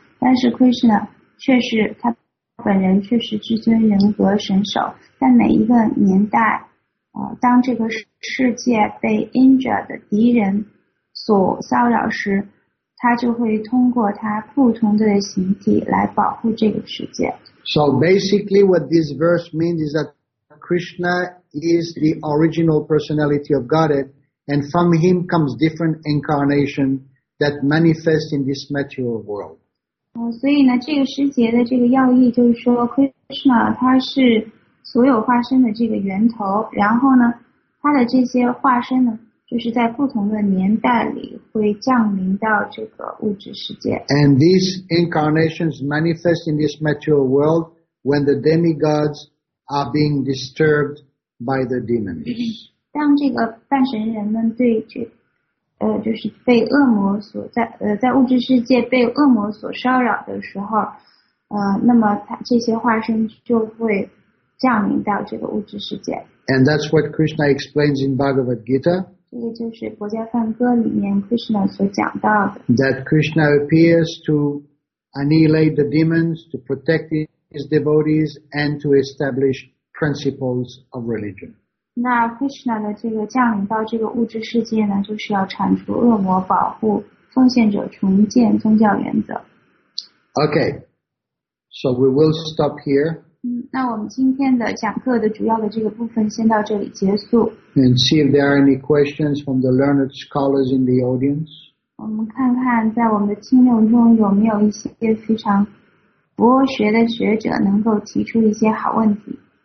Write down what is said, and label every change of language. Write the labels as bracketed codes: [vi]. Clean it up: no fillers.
[zh] 但是 Krishna 确实他本人确实至尊人格神手，在每一个年代当这个世界被 Indra 的敌人所骚扰时，他就会通过他不同的形体来保护这个世界。 [en] So basically what this verse means is that Krishna is the original personality of Godhead, and from him comes different incarnation that manifest in this material world. [zh] 所以呢，这个诗节的这个要义就是说 Krishna 他是所有化身的这个源头，然后呢他的这些化身呢就是在不同的年代里会降临到这个物质世界。 [en] And these incarnations manifest in this material world when the demigods are being disturbed by the demons. [zh] 当这个半神人们对这就是被恶魔所在物质世界被恶魔所骚扰的时候那么他这些化身就会降临到这个物质世界。 [en] And that's what Krishna explains in Bhagavad Gita. [zh] 这个就是佛家梵歌里面 Krishna 所讲到的。 [en] That Krishna appears to annihilate the demons, to protect his devotees, and to establish principles of religion. [zh] 那 Krishna 的这个降临到这个物质世界呢，就是要铲除恶魔，保护奉献者，重建宗教原则。 [en] Okay, so we will stop here. [zh] 那我们今天的讲课的主要的这个部分先到这里结束。 [en] And see if there are any questions from the learned scholars in the audience. [zh] 我们看看在我们的听众中有没有一些非常博学的学者能够提出一些好问题。